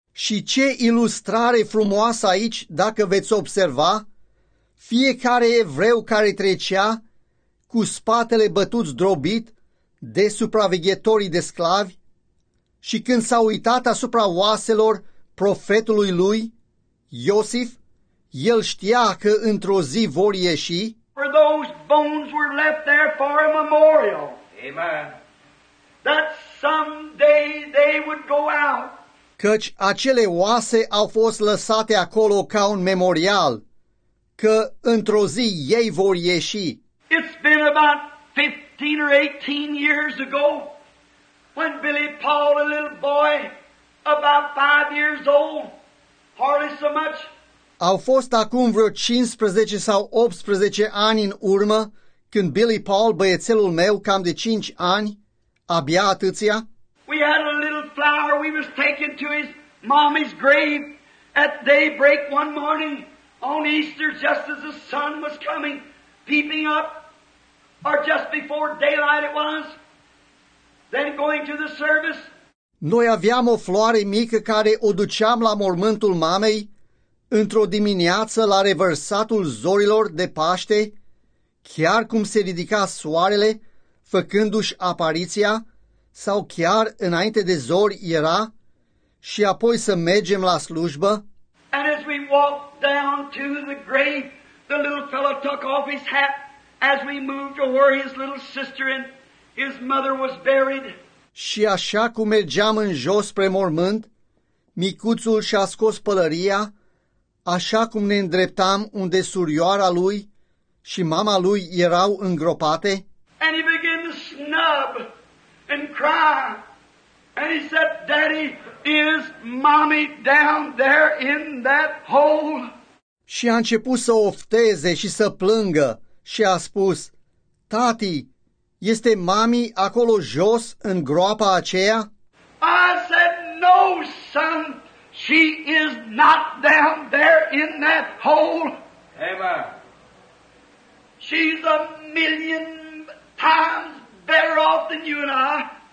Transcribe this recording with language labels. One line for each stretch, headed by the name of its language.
Romanian: Și ce ilustrare frumoasă aici, dacă veți observa, fiecare evreu care trecea cu spatele bătut zdrobit de supraveghetorii de sclavi și când s-a uitat asupra oaselor profetului lui, Iosif, el știa că într-o zi vor ieși.
English: For those bones were left there for a memorial. Amen. That someday they would go out.
Romanian: Căci acele oase au fost lăsate acolo ca un memorial, că într-o zi ei vor ieși.
English: It's been about 15 or 18 years ago when Billy Paul, a little boy, about 5 years old, hardly so much.
Romanian: Au fost acum vreo 15 sau 18 ani în urmă, când Billy Paul, băiețelul meu, cam de 5 ani, abia atâția.
English: We had a little flower we was taking to his mommy's grave at daybreak one morning on Easter, just as the sun was coming, peeping up, or just before daylight it was, then going to the service.
Romanian: Noi aveam o floare mică care o duceam la mormântul mamei, într-o dimineață la revărsatul zorilor de Paște, chiar cum se ridica soarele, făcându-și apariția, sau chiar înainte de zori era, și apoi să mergem la slujbă.
English: And as we walked down to the grave, the little fellow took off his hat as we moved to where his little sister and his mother was buried.
Romanian: Și așa cum mergeam în jos spre mormânt, micuțul și-a scos pălăria, așa cum ne îndreptam unde surioara lui și mama lui erau îngropate.
English: And he began to snub and cry. And he said, "Daddy, is mommy down there in that hole?"
Romanian: Și a început să ofteze și să plângă și a spus, "Tati, este mami acolo jos în groapa aceea?"
English: I said, "No, son. She is not down there in that hole. Amen. She's a million times better off than you and I."